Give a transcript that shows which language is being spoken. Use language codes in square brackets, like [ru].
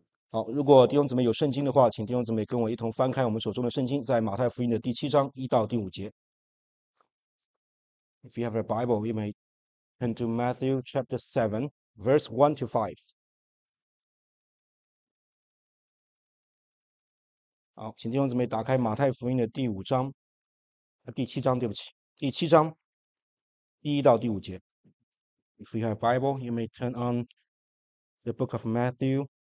[zh] 好，如果弟兄姊妹有圣经的话，请弟兄姊妹跟我一同翻开我们手中的圣经，在马太福音的第七章1到第5节。 [en] If you have a Bible, you may turn to Matthew chapter 7, verse 1 to 5. [zh] 好，请弟兄姊妹打开马太福音的第五章，第七章，对不起，第七章1到第5节。 [en] If you have a Bible, you may turn on the book of Matthew.